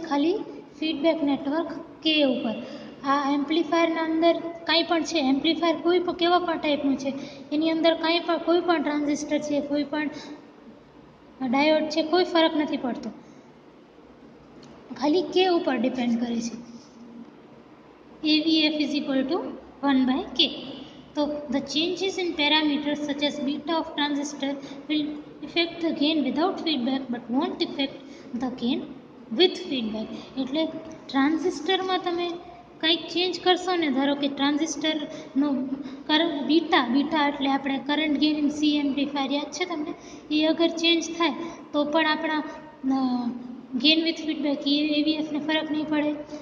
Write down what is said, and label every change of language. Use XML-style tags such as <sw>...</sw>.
<gu>ખાલી feedback network કે ઉપર. આ એમ્પ્લીફાયરના અંદર કાંઈ પણ છે, એમ્પ્લીફાયર કોઈ પણ કેવા પણ ટાઈપનું છે, એની અંદર કાંઈ પણ કોઈ પણ ટ્રાન્ઝિસ્ટર છે, કોઈ પણ ડાયોડ છે, કોઈ ફરક નથી પડતો, ખાલી કે ઉપર ડિપેન્ડ કરે છે.</gu> <en>AVF is equal to 1 by K. So the changes in parameters such as beta of transistor will affect the gain without feedback but won't affect the gain with feedback.</en> <gu>એટલે ટ્રાન્ઝિસ્ટરમાં તમે કંઈક ચેન્જ કરશો ને, ધારો કે ટ્રાન્ઝિસ્ટરનો beta એટલે આપણે current gain in C amplifier યાદ છે તમને, એ અગર ચેન્જ થાય તો પણ આપણા ગેઇન વિથ ફીડબેક AVFને ફરક નહીં પડે.</gu>